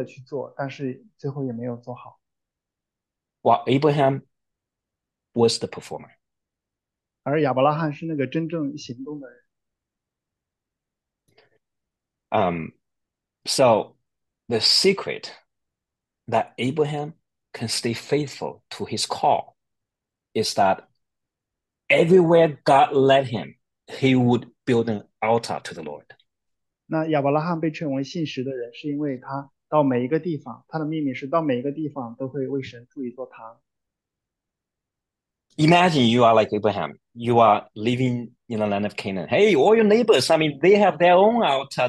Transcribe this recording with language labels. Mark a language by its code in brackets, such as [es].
[zh] 就是第二种人，他尝试着竭尽努力的去做，但是最后也没有做好。 [en] Well, Abraham was the performer. [zh] 而亚伯拉罕是那个真正行动的人。 [en] So the secret that Abraham can stay faithful to his call is that everywhere God led him, he would build an altar to the Lord. [zh] 那亚伯拉罕被称为信实的人，是因为他到每一个地方，他的秘密是到每一个地方都会为神筑一座堂。 [en] Imagine you are like Abraham. You are living in the land of Canaan. Hey, all your neighbors, I mean, they have their own altar.